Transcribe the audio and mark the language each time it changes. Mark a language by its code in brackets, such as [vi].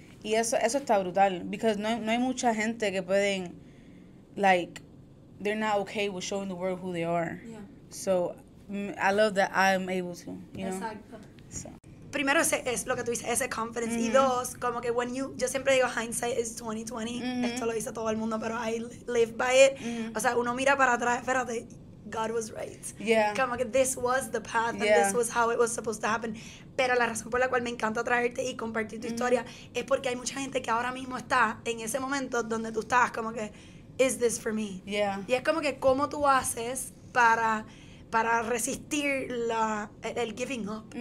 [es] Y eso está brutal. [en] Because [es] no hay mucha gente que pueden, [en] like, they're not okay with showing the world who they are. Yeah. So... I love that I'm able to, you know? Exacto. So. [es] Primero, ese es lo que tú dices, ese confidence. Y dos, como que [en] when you... [es] Yo siempre digo, [en] hindsight is 2020. [es] Esto lo dice todo el mundo, pero [en] I live by it. [es] O sea, uno mira para atrás, espérate, [en] God was right. Yeah. [es] Como que [en] this was the path, and this was how it was supposed to happen. [es] Pero la razón por la cual me encanta traerte y compartir tu historia es porque hay mucha gente que ahora mismo está en ese momento donde tú estás como que, [en] is this for me? Yeah. [es] Y es como que, ¿cómo tú haces para resistir el giving up?